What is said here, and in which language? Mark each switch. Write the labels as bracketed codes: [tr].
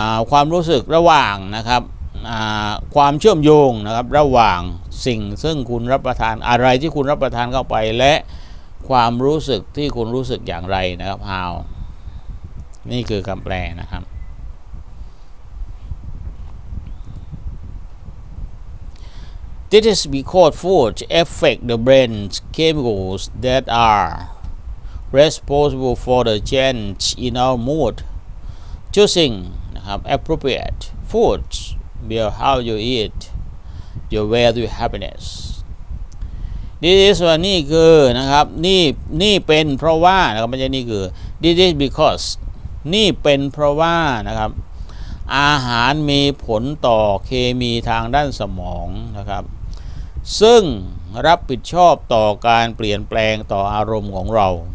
[th] ความรู้สึกระหว่างนะครับความเชื่อมโยงนะครับระหว่างสิ่งซึ่งคุณรับประทานอะไรที่คุณรับประทานเข้าไปและความรู้สึกที่คุณรู้สึกอย่างไรนะครับ how นี่คือคำแปลนะครับ [en] This is because food affects the brain's chemicals that are responsible for the change in our mood. Choosing appropriate foods will how you eat your way to happiness. [th] This is ว่านี่คือนะครับนี่เป็นเพราะว่านะครับไม่ใช่นี่คือ [en] This is because [th] นี่เป็นเพราะว่านะครับอาหารมีผลต่อเคมีทางด้านสมองนะครับซึ่งรับผิดชอบต่อการเปลี่ยนแปลงต่ออารมณ์ของเรา